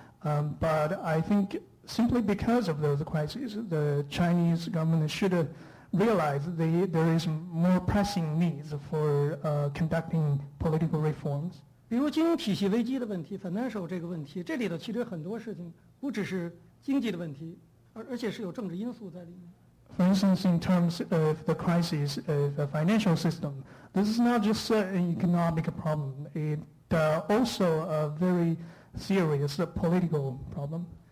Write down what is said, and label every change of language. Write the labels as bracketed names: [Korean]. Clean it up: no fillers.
[English] But I think simply because of those crises, the Chinese government should realize there is more pressing needs for conducting political reforms. [Chinese] 比如经济体系危机的问题, financial这个问题, 这里的其实很多事情不只是经济的问题, 而且是有政治因素在里面。 [English] For instance, in terms of the crisis of the financial system, this is not just an economic problem, it also a very serious political problem.